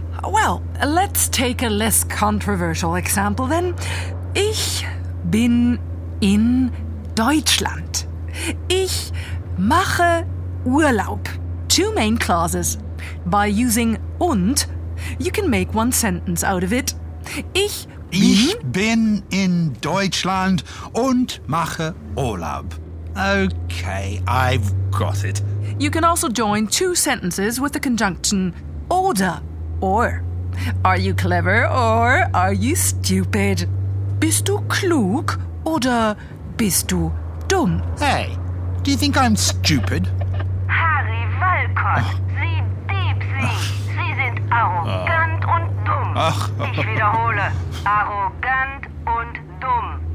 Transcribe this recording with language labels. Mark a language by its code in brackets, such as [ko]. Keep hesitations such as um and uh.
[en] Well, let's take a less controversial example then. [de] Ich bin in Deutschland. Ich mache Urlaub. [en] Two main clauses. By using und, you can make one sentence out of it. [de] Ich bin Ich bin in Deutschland und mache Urlaub. [en] Okay, I've got it. You can also join two sentences with the conjunction oder or. Are you clever or are you stupid? [de] Bist du klug oder bist du dumm? [en] Hey, do you think I'm stupid? [de] Harry Walcott, Sie Dieb, Sie! Sie sind arrogant und dumm. Ich wiederhole, arrogant und dumm.